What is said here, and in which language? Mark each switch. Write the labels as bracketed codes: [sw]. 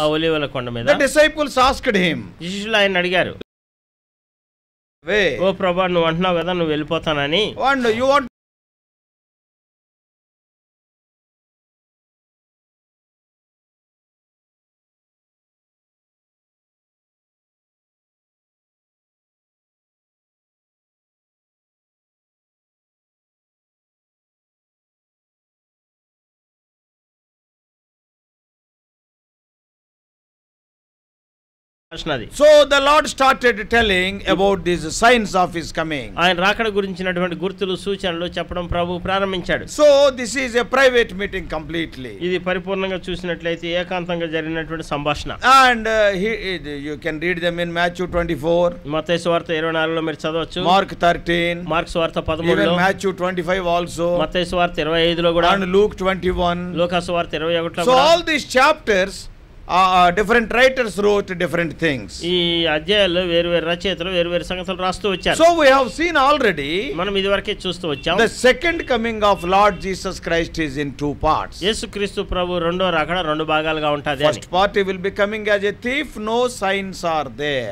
[te] ఆ ఒలివల కొండ మీద. [en] the disciples asked him, [te] శిష్యులు ఆయన అడిగారు. వే, ఓ ప్రభా, నువ్వు అంటున్నావు కదా నువ్వు వెళ్ళిపోతానని. [en] And you want So the Lord started telling about these signs of his coming. [te] ఆయన రాకడ గురించినటువంటి గుర్తులు సూచనలు చెప్పడం ప్రభు ప్రారంభించాడు. [en] So this is a private meeting completely. [te] ఇది పరిపూర్ణంగా చూసినట్లయితే ఏకాంతంగా జరిగినటువంటి సంభాషణ. [en] And you can read them in Matthew 24. [te] మత్తయి సువార్త 24 లో మీరు చదవచ్చు. [en] Mark 13. [te] మార్కు సువార్త 13 లో. [en] Even Matthew 25 also. [te] మత్తయి సువార్త 25 లో కూడా. [en] And Luke 21. [te] లూకా సువార్త 21 లో కూడా. [en] So all these chapters different writers wrote different things. [te] ఈ అధ్యాయాలు వేరు వేరు రచయితలు వేరు వేరు సంగతులు రాస్తూ వచ్చారు. [en] so we have seen already, [te] మనం ఇదివరకే చూస్తూ వచ్చాం. [en] The second coming of Lord Jesus Christ is in two parts. [te] యేసుక్రీస్తు ప్రభు రెండో రాకడ రెండు భాగాలుగా ఉంటుంది. [en] First part will be coming as a thief, no signs are there.